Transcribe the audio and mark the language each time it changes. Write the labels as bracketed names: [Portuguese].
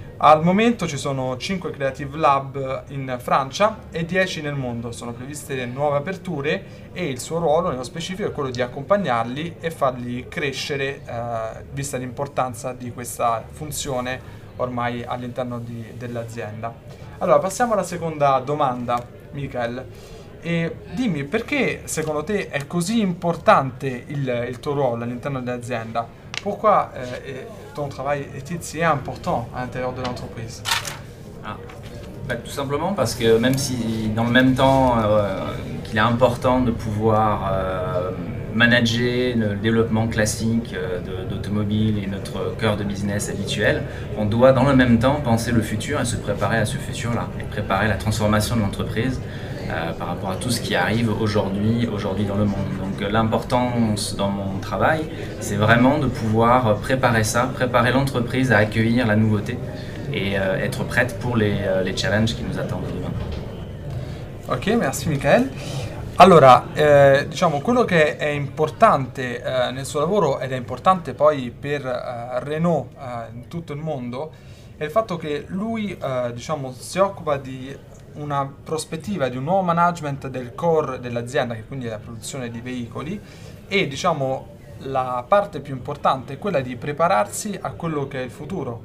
[Italian] Al momento ci sono 5 Creative Lab in Francia e 10 nel mondo, sono previste nuove aperture e il suo ruolo nello specifico è quello di accompagnarli e farli crescere vista l'importanza di questa funzione ormai all'interno dell'azienda. Allora passiamo alla seconda domanda, Michael, e dimmi perché secondo te è così importante il tuo ruolo all'interno dell'azienda? [French] Pourquoi ton travail est-il si important à l'intérieur de l'entreprise? Tout simplement parce que même si dans le même temps qu'il est important de pouvoir manager le développement classique d'automobile et notre cœur de business habituel, on doit dans le même temps penser le futur et se préparer à ce futur-là, et préparer la transformation de l'entreprise par rapport à tout ce qui arrive aujourd'hui dans le monde. Donc l'importance dans mon travail, c'est vraiment de pouvoir préparer ça, préparer l'entreprise à accueillir la nouveauté et être prête pour les challenges qui nous attendent demain. Ok, merci Michael. [Italian] Allora, quello che è importante nel suo lavoro ed è importante poi per Renault in tutto il mondo è il fatto che lui si occupa di una prospettiva di un nuovo management del core dell'azienda, che quindi è la produzione di veicoli, e la parte più importante è quella di prepararsi a quello che è il futuro.